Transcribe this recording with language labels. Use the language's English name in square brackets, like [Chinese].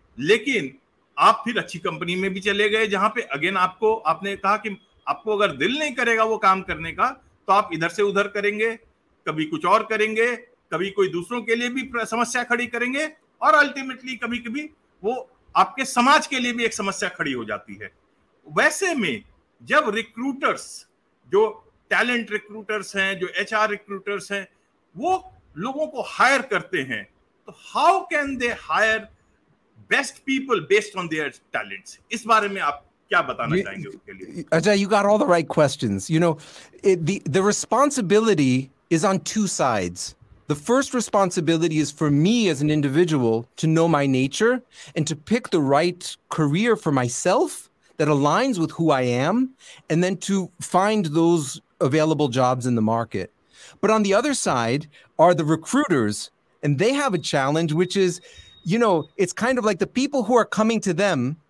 [Hindi] lekin aap phir achhi company mein bhi chale gaye jahan pe again aapko aapne kaha ki aapko agar dil nahi karega wo kaam karne ka to aap idhar se udhar karenge, kabhi kuch aur karenge, कभी कोई दूसरों के लिए भी समस्या खड़ी करेंगे, और अल्टीमेटली कभी कभी वो आपके समाज के लिए भी एक समस्या खड़ी हो जाती है। वैसे में जब रिक्रूटर्स, जो टैलेंट रिक्रूटर्स हैं, जो एचआर रिक्रूटर्स हैं, वो लोगों को हायर करते हैं, तो [English] How can they hire best people based on their talents? [Hindi] इस बारे में आप क्या बताना चाहेंगे उसके लिए? [English] अच्छा, you got all the right questions. You know, the responsibility is on two sides. The first responsibility is for me as an individual to know my nature and to pick the right career for myself that aligns with who I am, and then to find those available jobs in the market. But on the other side are the recruiters, and they have a challenge, which is, you know, it's kind of like the people who are coming to them